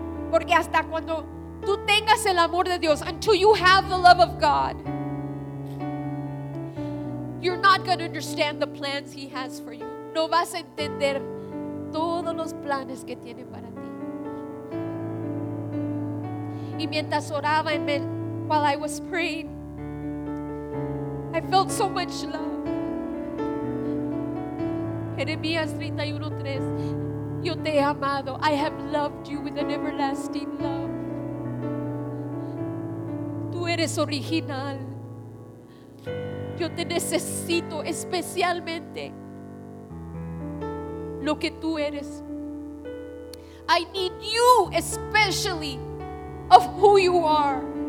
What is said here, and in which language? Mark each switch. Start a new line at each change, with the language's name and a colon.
Spanish: Porque hasta cuando tú tengas el amor de Dios,
English: until you have the love of God, you're not going to understand the plans he has for you.
Spanish: No vas a entender todos los planes que tiene para ti. Y mientras oraba,
English: while I was praying, I felt so much love.
Spanish: Jeremías 31:3, yo te he amado.
English: I have loved you with an everlasting love.
Spanish: Tú eres original. Yo te necesito especialmente lo que tú eres.
English: I need you especially of who you are.